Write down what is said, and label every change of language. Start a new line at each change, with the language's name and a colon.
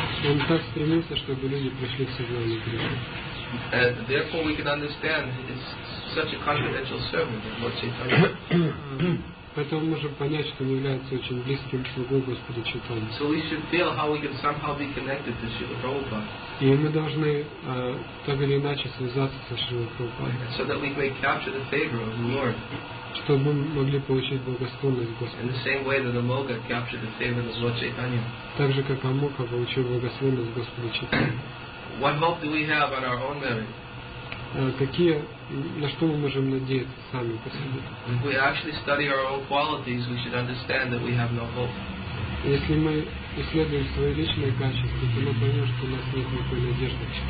Russian: Он так стремился, чтобы люди пришли к сознанию Кришны.
English: And therefore we can understand it's such a confidential servant of Lord Chaitanya.
Russian: Поэтому мы можем понять, что он является очень близким слугой Господа Чайтаньи.
English: So we should feel how we can somehow be connected to Srila Prabhupada.
Russian: И мы должны так или иначе связаться со Шрилой Прабхупадой.
English: So that we may capture the favor of the Lord.
Russian: Чтобы мы могли получить благосклонность Господа.
English: In the same way that Amoga captured the favor of Lord Chaitanya.
Russian: Так же, как Амока получил благосклонность Господа Чайтаньи.
English: What hope do we have on our own merit?
Russian: Какие, на что мы можем надеяться сами по себе?
English: If we actually study our own qualities, we should understand that we have no hope.
Russian: Если мы исследуем свои личные качества, то мы поймем, что у нас нет никакой надежды.